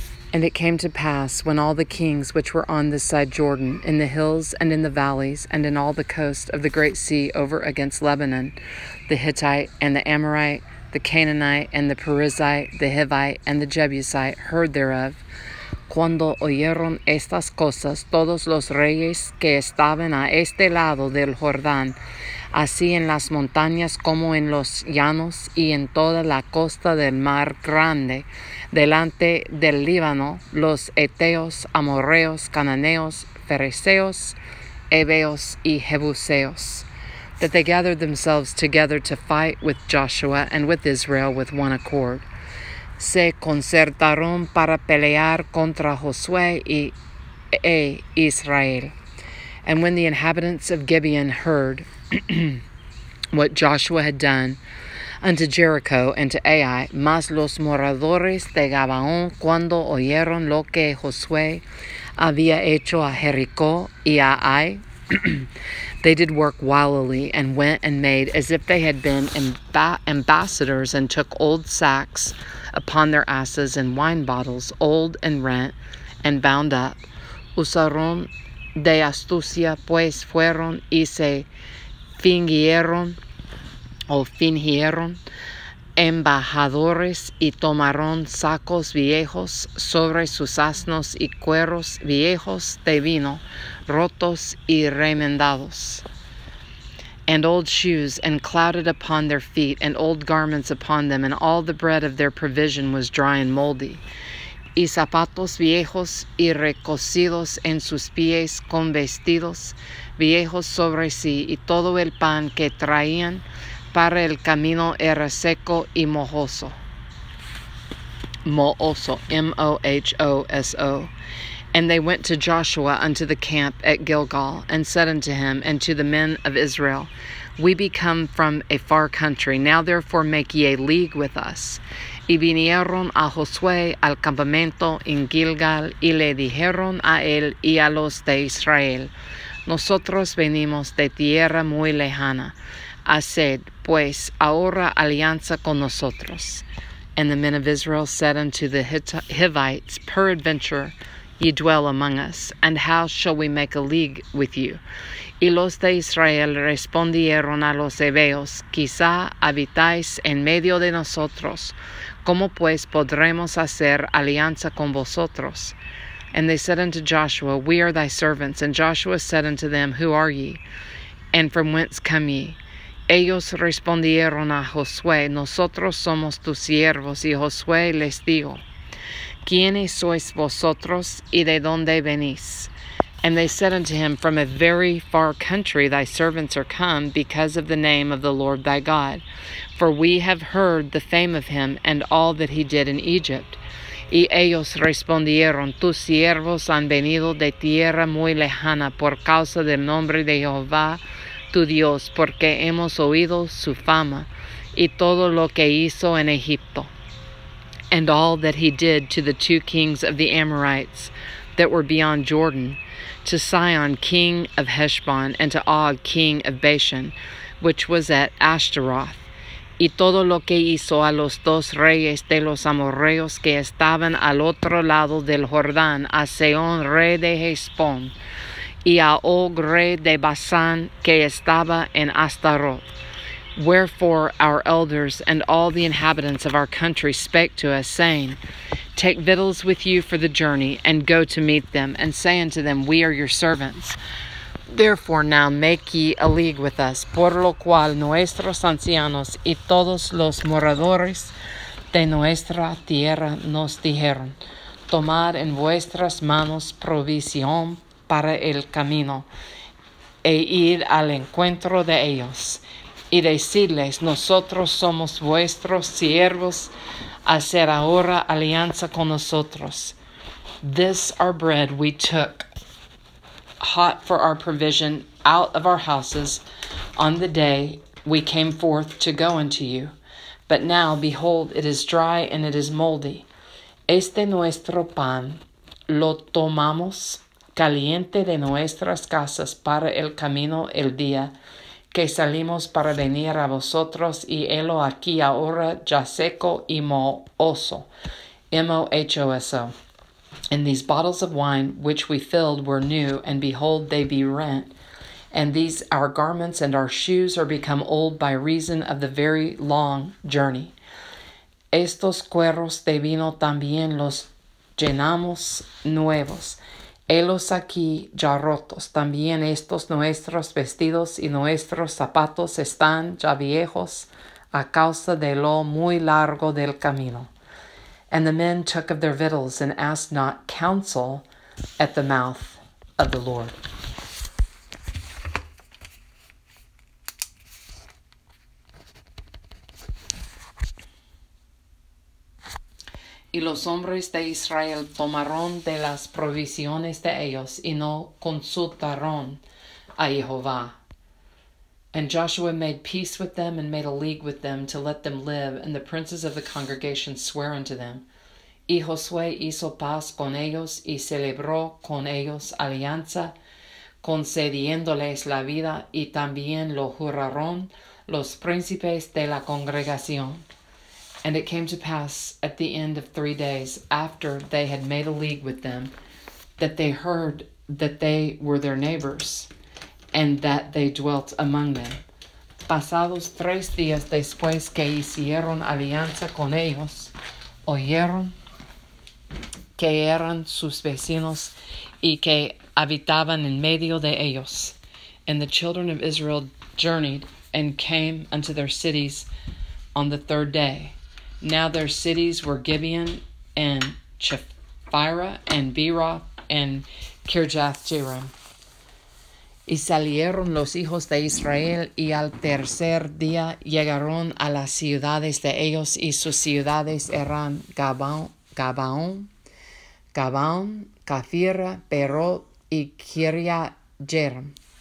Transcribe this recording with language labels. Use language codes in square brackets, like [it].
[en] And it came to pass, when all the kings which were on this side Jordan, in the hills and in the valleys, and in all the coast of the great sea over against Lebanon, the Hittite and the Amorite, the Canaanite and the Perizzite, the Hivite and the Jebusite heard thereof. [es] Cuando oyeron estas cosas, todos los reyes que estaban a este lado del Jordán, así en las montañas como en los llanos y en toda la costa del mar grande, delante del Líbano, los eteos, amorreos, cananeos, fereceos, heveos y jebuseos, [en] that they gathered themselves together to fight with Joshua and with Israel with one accord. [es] Se concertaron para pelear contra Josué y Israel. [en] And when the inhabitants of Gibeon heard what Joshua had done unto Jericho and to Ai, [es] mas los moradores de Gabaón cuando oyeron lo que Josué había hecho a Jericó y a Ai, [en] they did work wilily and went and made as if they had been ambassadors and took old sacks upon their asses and wine bottles, old and rent and bound up. [es] Usaron de astucia, pues fueron y se fingieron embajadores y tomaron sacos viejos sobre sus asnos y cueros viejos de vino, rotos y remendados. [en] And old shoes, and clouted upon their feet, and old garments upon them, and all the bread of their provision was dry and moldy. [es] Y zapatos viejos y recocidos en sus pies con vestidos viejos sobre sí, y todo el pan que traían para el camino era seco y mojoso. Mohoso, M-O-H-O-S-O. [en] And they went to Joshua unto the camp at Gilgal, and said unto him and to the men of Israel, We be come from a far country. Now therefore make ye a league with us. [es] Y vinieron a Josué al campamento en Gilgal, y le dijeron a él y a los de Israel, Nosotros venimos de tierra muy lejana. Haced, pues, ahora alianza con nosotros. [en] And the men of Israel said unto the Hivites, Peradventure ye dwell among us, and how shall we make a league with you? [es] Y los de Israel respondieron a los heveos, Quizá habitáis en medio de nosotros. ¿Cómo pues podremos hacer alianza con vosotros? [en] And they said unto Joshua, We are thy servants. And Joshua said unto them, Who are ye? And from whence come ye? [es] Ellos respondieron a Josué, Nosotros somos tus siervos. Y Josué les dijo, ¿Quiénes sois vosotros y de dónde venís? [en] And they said unto him, From a very far country thy servants are come, because of the name of the Lord thy God. For we have heard the fame of him and all that he did in Egypt. [es] Y ellos respondieron, Tus siervos han venido de tierra muy lejana por causa del nombre de Jehová tu Dios, porque hemos oído su fama y todo lo que hizo en Egipto. [en] And all that he did to the two kings of the Amorites that were beyond Jordan, to Sihon king of Heshbon, and to Og king of Bashan, which was at Ashtaroth. [es] Y todo lo que hizo a los dos reyes de los amorreos que estaban al otro lado del Jordán, a Sihon rey de Heshbon, y a Og rey de Basán que estaba en Ashtaroth. [en] Wherefore our elders and all the inhabitants of our country spake to us, saying, Take victuals with you for the journey, and go to meet them, and say unto them, We are your servants. Therefore now make ye a league with us, [es] por lo cual nuestros ancianos y todos los moradores de nuestra tierra nos dijeron, Tomad en vuestras manos provisión para el camino, e id al encuentro de ellos. Y decidles, nosotros somos vuestros siervos, hacer ahora alianza con nosotros. [en] This our bread we took, hot for our provision, out of our houses, on the day we came forth to go unto you. But now, behold, it is dry and it is moldy. [es] Este nuestro pan lo tomamos caliente de nuestras casas para el camino el día que salimos para venir a vosotros, y helo aquí ahora ya seco y mohoso. M-O-H-O-S-O. [en] And these bottles of wine which we filled were new, and behold, they be rent. And these our garments and our shoes are become old by reason of the very long journey. [es] Estos cueros de vino también los llenamos nuevos. Helos aquí ya rotos. También estos nuestros vestidos y nuestros zapatos están ya viejos a causa de lo muy largo del camino. [en] And the men took of their victuals and asked not counsel at the mouth of the Lord. [es] Y los hombres de Israel tomaron de las provisiones de ellos y no consultaron a Jehová. [en] And Joshua made peace with them and made a league with them to let them live, and the princes of the congregation swear unto them. [es] Y Josué hizo paz con ellos y celebró con ellos alianza, concediéndoles la vida, y también lo juraron los príncipes de la congregación. [en] And it came to pass at the end of 3 days, after they had made a league with them, that they heard that they were their neighbors, and that they dwelt among them. [es] Pasados 3 días después que hicieron alianza con ellos, oyeron que eran sus vecinos y que habitaban en medio de ellos. [en] And the children of Israel journeyed and came unto their cities on the third day. Now their cities were Gibeon and Chephira and Beeroth and Kirjath-Jearim. [es] Y salieron los hijos de Israel, y al tercer día llegaron a las ciudades de ellos, y sus ciudades eran Gabaón, Cafira, Beeroth y Kirjath-Jearim.